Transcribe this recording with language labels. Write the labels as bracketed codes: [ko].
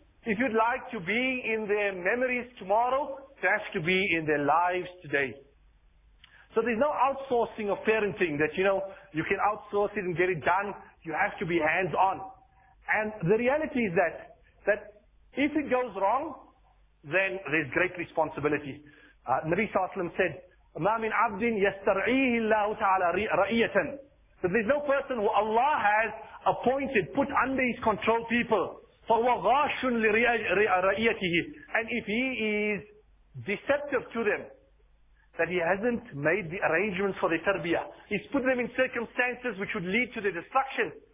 [en] If you'd like to be in their memories tomorrow, it has to be in their lives today. So there's no outsourcing of parenting that, you know, you can outsource it and get it done. You have to be hands-on. And the reality is that if it goes wrong, then there's great responsibility. Nabi Sallallahu Alaihi Wasallam said, [ar] مَا مِنْ عَبْدٍ يَسْتَرْعِيهِ اللَّهُ تَعَلَى رَأِيَةً. [en] So there's no person who Allah has appointed, put under his control people. [ar] فَهُوَ غَاشٌ لِرَأِيَتِهِ. [en] And if he is deceptive to them, that he hasn't made the arrangements for their tarbiyah, he's put them in circumstances which would lead to their destruction,